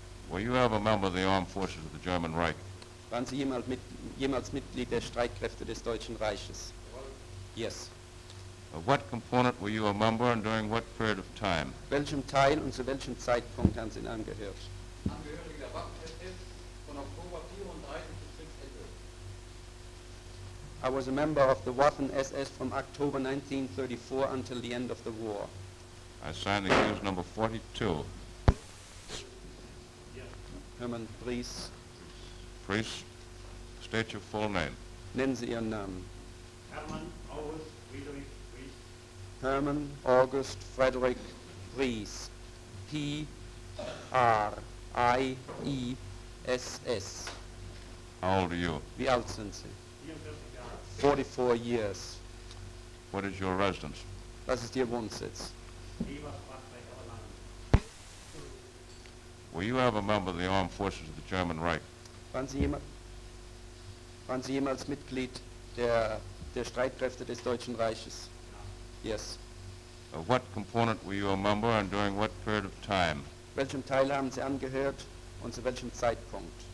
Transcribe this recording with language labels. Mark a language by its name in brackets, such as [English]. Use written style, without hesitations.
[English] Were you ever a member of the armed forces of the German Reich? [German] Waren Sie jemals Mitglied der Streitkräfte des Deutschen Reiches? [English] Yes. Of what component were you a member and during what period of time? [German] Welchem Teil und zu welchem Zeitpunkt haben Sie angehört? Angehörige der Waffen-SS von Oktober 1934 bis Ende. [English] I was a member of the Waffen-SS from October 1934 until the end of the war. I signed the accused number 42. Hermann Priest. Priest, state your full name. [German] Nennen Sie Ihren Namen. Hermann August Friedrich Priest. Hermann August Friedrich Priest. P R I E S S. [English] How old are you? [German] Wie alt sind Sie? 44 [English] years. What is your residence? [German] Was ist Ihr Wohnsitz? [English] Were you ever a member of the armed forces of the German Reich? [German] Waren Sie jemals Mitglied der Streitkräfte des Deutschen Reiches? [English] Yes. Of what component were you a member and during what period of time? [German] Welchem Teil haben Sie angehört und zu welchem Zeitpunkt?